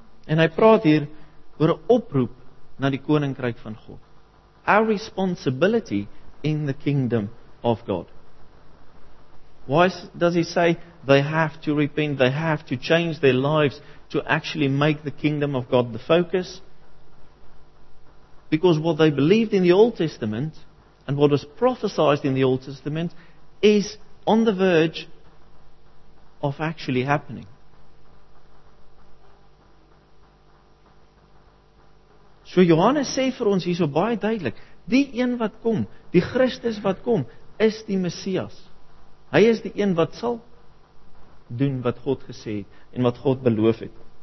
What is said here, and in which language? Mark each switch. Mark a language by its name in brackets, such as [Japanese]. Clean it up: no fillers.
[Afrikaans] En hy praat hier oor 'n oproep na die koninkryk van God. [English] Our responsibility in the kingdom of God. Why does he say they have to repent, they have to change their lives to actually make the kingdom of God the focus? Because what they believed in the Old Testament and what was prophesied in the Old Testament is on the verge of actually happening. [Afrikaans] So Johannes sê vir ons hierso baie duidelik, die een wat kom, die Christus wat kom, is die Messias. Hy is die een wat sal doen wat God gesê het en wat God beloof het.